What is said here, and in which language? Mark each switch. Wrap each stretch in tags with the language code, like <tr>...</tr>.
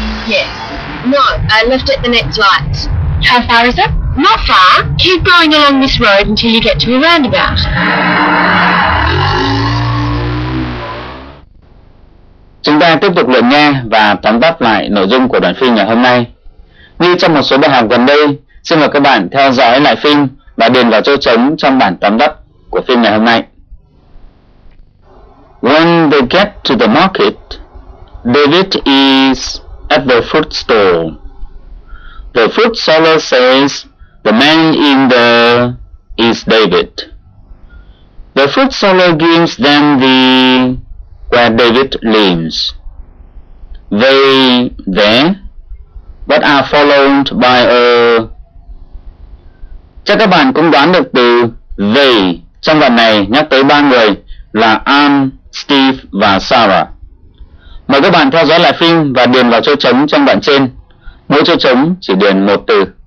<en>Yes. No, left at the next light. How far is it? Not far. Keep going along this road until you get to a roundabout.</en> <vi>Chúng ta tiếp tục lượn nghe và tóm tắt lại nội dung của đoạn phim ngày hôm nay. Như trong một số bài học gần đây, xin mời các bạn theo dõi lại phim và điền vào chỗ trống trong bản tóm tắt của phim ngày hôm nay.</vi> <en>When they get to the market, David is at the food stall. The food seller says the man in the is David. The food seller gives them the where David lives. They there, but are followed by a...</en> <vi>Chắc các bạn cũng đoán được từ they trong đoạn này nhắc tới ba người là Ann, Steve và Sarah. Mời các bạn theo dõi lại phim và điền vào chỗ trống trong đoạn trên. Mỗi chỗ trống chỉ điền một từ.</vi>